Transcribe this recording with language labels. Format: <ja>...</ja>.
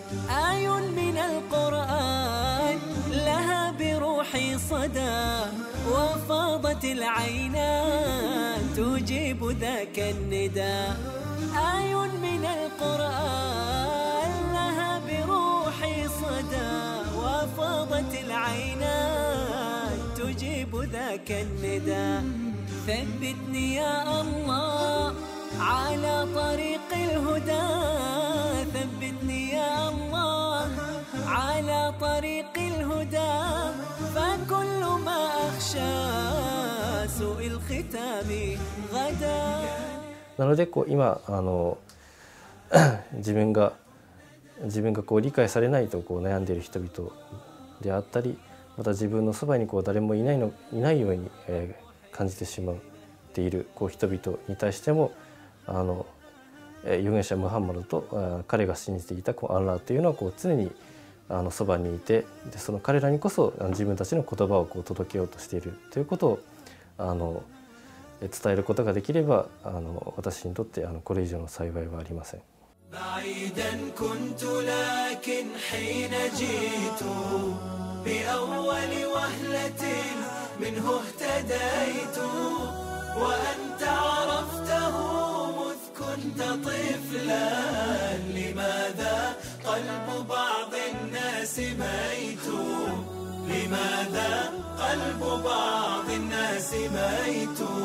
<ar>آي من القرآن لها بروحي صدى وفاضت العينان تجيب ذاك النداء آي من القرآن لها بروحي صدى وفاضت العينان تجيب ذاك النداء ثبتني يا الله على طريق الهدى ثبتني يا الله على طريق الهدى فكل ما أخشى سوء الختام غدا.</ar> <ja>なのでこう今あの自分がこう理解されないとこう悩んでいる人々であったりまた自分のそばにこう誰もいないように感じてしまっているこう人々に対しても預言者ムハンマドと彼が信じていたこうアンラーというのはこう常にそばにいてでその彼らにこそ自分たちの言葉をこう届けようとしているということを伝えることができれば私にとってこれ以上の幸いはありません。</ja> <ar>بعيدا كنت لكن حين جئت بأول وهلة منه اهتديت وأنت عرفته مذ كنت طفلا لماذا قلب بعض الناس ميت لماذا قلب بعض الناس ميت</ar>